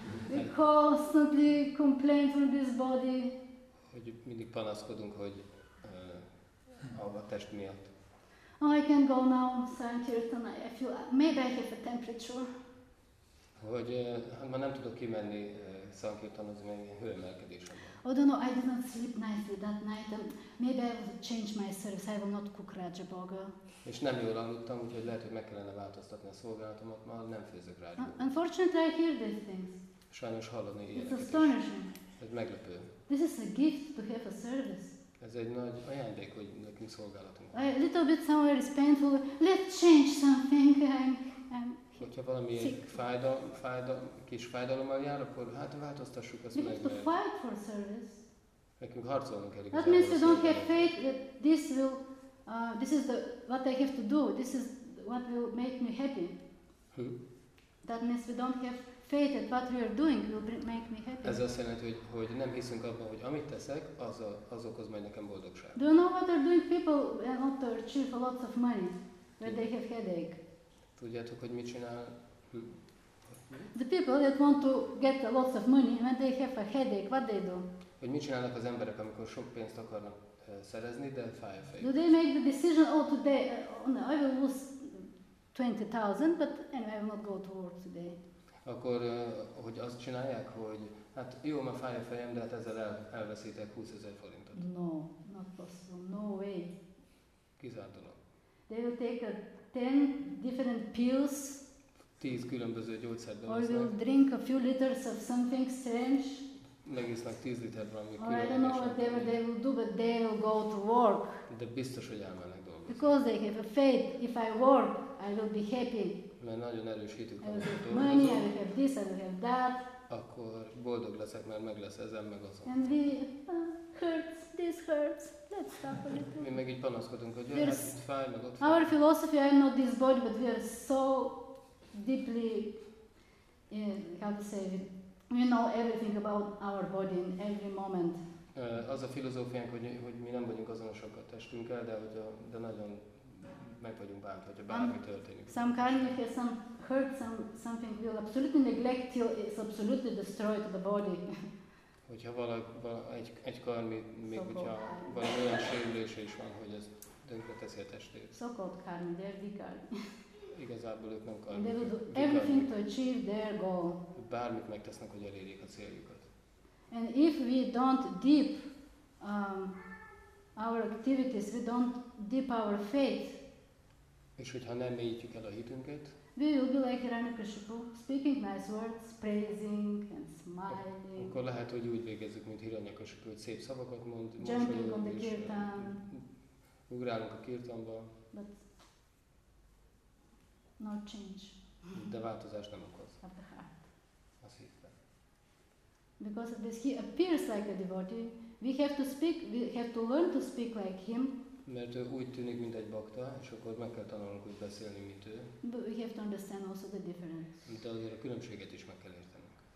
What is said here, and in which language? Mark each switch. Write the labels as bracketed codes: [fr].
[en] We constantly complain from this body. [hu] Hogy mindig panaszkodunk, hogy a test miatt. [en] Oh, I can go now, Sankirtan. I feel maybe I have a temperature. [hu] Hogy ma nem tudok kimenni Sankirtanozni, mert ilyen hőemelkedés van. [en] I don't know, I did not sleep nicely that night. Maybe I will change my service. I will not cook Raja Boga. [hu] És nem jól aludtam, úgyhogy lehet, hogy meg kellene változtatni a szolgálatomat, ma nem főzök Raja [en] Boga. Unfortunately, I hear these things. [hu] Sajnos hallani ilyeneket. [en] It's astonishing. [hu] Ez meglepő. [en] This is a gift to have a service. [hu] Ez egy nagy ajándék, hogy nekünk szolgálatunk. [en] A little bit somewhere is painful. Let's change something. [hu] Hogyha valami kis fájdalommal jár, akkor hát változtassuk ezt meg. [en] We have to fight for service. [hu] Nekünk harcolnunk kell. [en] That means you don't have faith that this will, this is the what I have to do. This is what will make me happy. That means we don't have faith that what we are doing will make me happy. [hu] Ez azt jelenti, hogy nem hiszünk abban, hogy amit teszek, az okoz majd nekem boldogság. [en] Do you know what are doing people not to achieve lots of money, when they have headache? [hu] Tudjátok, hogy mit csinál? [en] The people that want to get a lots of money when they have a headache, what they do? [hu] Hogy mit csinálnak az emberek, amikor sok pénzt akarnak szerezni, de fáj a fejük? [en] Do they make the decision, oh today, I will lose 20,000, but anyway, I will not go to work today. [hu] Akkor, hogy azt csinálják, hogy hát jó, ma fáj a fejem, de hát ezzel elveszítek 20,000 forintot. [en] No, not possible, no way. [hu] Kizárt dolog. [en] They will take a 10 different pills. [hu] 10 különböző gyógyszert bevesznek. [en] Or they will drink a few liters of something strange. [hu] Megisznek 10 liter valami különböző. [en] Or I don't know whatever they will do, but they will go to work. [hu] De biztos, hogy elmennek dolgozni. [en] Because they have a faith, if I work, I will be happy. [hu] Mert nagyon erős hitük van, hogy dolgozom. [en] Money, I will have this, I will have that. [hu] Akkor boldog leszek, mert meg lesz ezen, meg azon. [en] And we, hurts, this hurts, let's stop a little. [hu] Mi meg így panaszkodunk, hogy jön, hát itt fáj, meg ott fáj. [en] Our philosophy, I am not this body, but we are so deeply, how to say, we know everything about our body in every moment. [hu] Az a filozófiánk, hogy mi nem vagyunk azonosak a testünkkel, de nagyon meg vagyunk bánt, hogyha bármi történik. [en] Some kind of here, some hurt, something will absolutely neglect till it's absolutely destroyed the body. [hu] Hogyha egy karmi, még hogyha valami olyan sérülése is van, hogy ez tönkre teszi a testét. [en] So called karmi, they're the karmi. [hu] Igazából ők nem karmi. [en] They will do everything to achieve their goal. [hu] Bármit megtesznek, hogy elérjék a céljukat. [en] And if we don't deep our activities, we don't deep our faith. [hu] És hogyha nem mélyítjük el a hitünket, [en] we will be like Hiranya Kashipu, speaking nice words, praising and smiling. [hu] Akkor lehet, hogy úgy végezzük, mint Hiranya Kashipu, hogy szép szavakat mond, [en] jumping on the kirtan. [hu] Ugrálunk a kirtanba. [en] But no change. [hu] De változás nem okoz. [en] Of the heart. [hu] A szívben. [en] Because of this, he appears like a devotee. We have to speak, we have to learn to speak like him. [hu] Mert ő úgy tűnik, mint egy bakta, és akkor meg kell tanulnunk úgy beszélni, mint ő. [en] But we have to understand also the difference. [hu] De azért a különbséget is meg kell értenünk.